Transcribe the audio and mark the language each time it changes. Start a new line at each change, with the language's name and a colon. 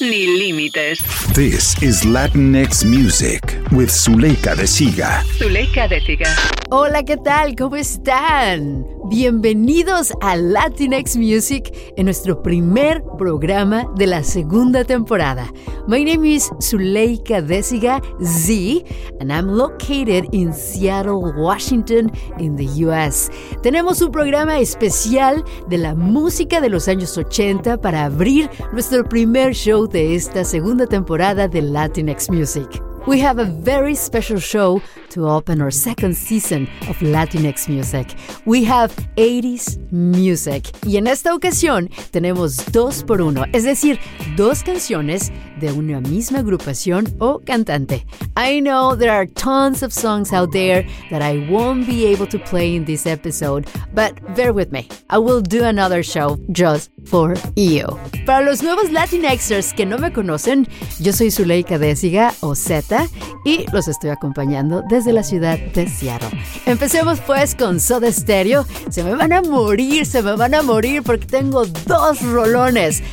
Spanish: ni límites.
English: This is Latinx Music with Zuleika de Siga. Zuleika de Siga.
Spanish: Hola, ¿qué tal? ¿Cómo están? Bienvenidos a Latinx Music en nuestro primer programa de la segunda temporada.
English: My name is Zuleika de Siga Z, and I'm located in Seattle, Washington, in the U.S.
Spanish: Tenemos un programa especial de la música de los años 80 para abrir nuestro primer show de esta segunda temporada de Latinx Music.
English: We have a very special show to open our second season of Latinx Music. We have 80s music.
Spanish: Y en esta ocasión tenemos dos por uno, es decir, dos canciones de una misma agrupación o cantante.
English: I know there are tons of songs out there that I won't be able to play in this episode, but bear with me. I will do another show just for you.
Spanish: Para los nuevos Latinxers que no me conocen, yo soy Zuleika de Siga o Zeta y los estoy acompañando desde la ciudad de Seattle. Empecemos pues con Soda Stereo. Se me van a morir porque tengo dos rolones.